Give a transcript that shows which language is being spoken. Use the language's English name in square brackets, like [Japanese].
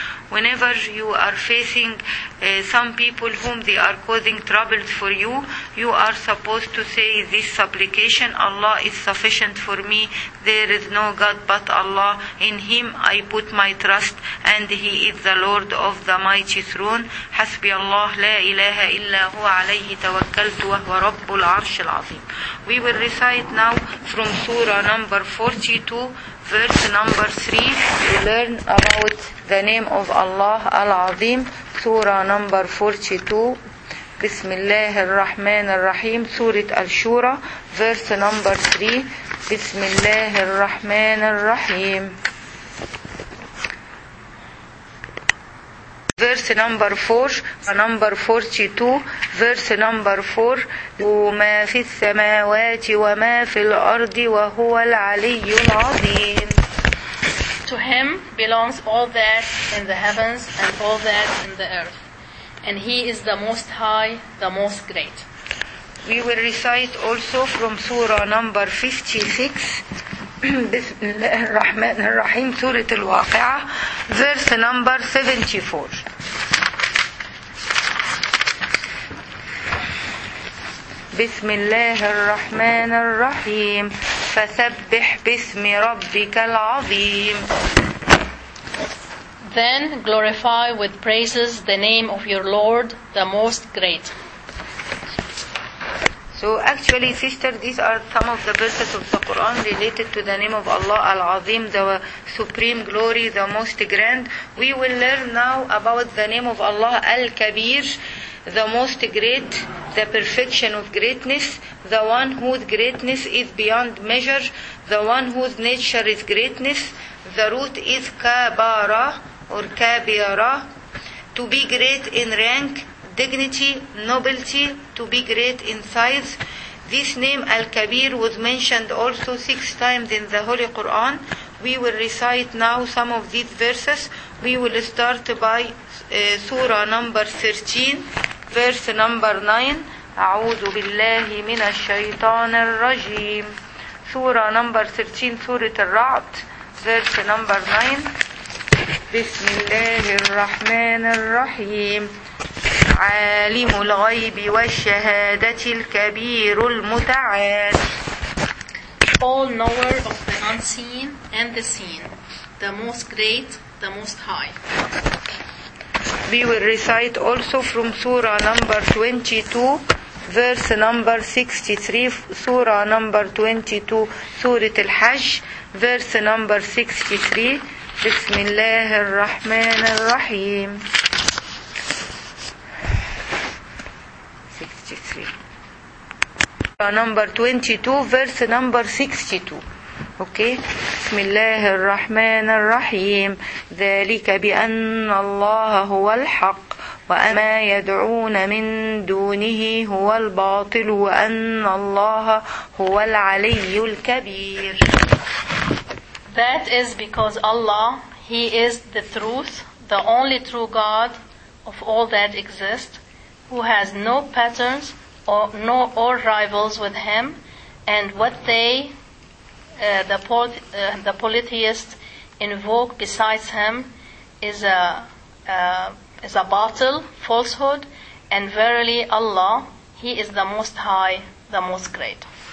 [English] Whenever you are facing some people whom they are causing troubles for you, you are supposed to say this supplication: Allah is sufficient for me, there is no God but Allah, in Him I put my trust, and He is the Lord of the mighty throne. [Arabic] حسبي الله لا إله إلا هو عليه توكلت وهو رب العرش العظيم. [English] We will recite now from Surah number 42, verse number 3. We learn about the name of Allah Al-Azim. Surah number 42. Bismillah ar-Rahman ar-Rahim. Surah Al-Shura, verse number 3. Bismillah ar-Rahman ar-Rahim. Verse number 4, number 42, verse number 4. [Arabic] وما في السماوات وما في الأرض وهو العلي العظيم. [English] To Him belongs all that in the heavens and all that in the earth. And He is the Most High, the Most Great. We will recite also from Surah number 56. [Arabic] بسم الله الرحمن الرحيم سورة الواقعة [English] verse number 74. [Arabic] بسم الله الرحمن الرحيم فسبح باسم ربك العظيم. [English] Then glorify with praises the name of your Lord, the Most Great. So actually, sister, these are some of the verses of the Quran related to the name of Allah Al-Azim, the supreme glory, the most grand. We will learn now about the name of Allah Al-Kabir, the most great, the perfection of greatness, the one whose greatness is beyond measure, the one whose nature is greatness. The root is Kabara or Kabira, to be great in rank, dignity, nobility, to be great in size. This name Al-Kabir was mentioned also 6 times in the Holy Quran. We will recite now some of these verses. We will start by Surah number 13, verse number 9. [Arabic] أعوذ بالله من الشيطان الرجيم. [English] Surah number 13, Surah Al-Ra'd, verse number 9. [Arabic] بسم الله الرحمن الرحيم. عالم الغيب والشهادة الكبير المتعال. [English] All knower of the unseen and the seen, the most great, the most high. We will recite also from Surah number 22, verse number 63, surah number 22, Surah Al-Hajj, verse number 63. Bismillah ar-Rahman ar-Rahim. 63. Surah number 22, verse number 62. Okay. [Arabic] بسم الله الرحمن الرحيم ذلك بأن الله هو الحق وأما يدعون من دونه هو الباطل وأن الله هو العلي الكبير. [English] That is because Allah, He is the truth, the only true God of all that exist, who has no patterns or rivals with Him, and what they the polytheists invoke besides Him is a battle, falsehood, and verily Allah, He is the Most High, the Most Great.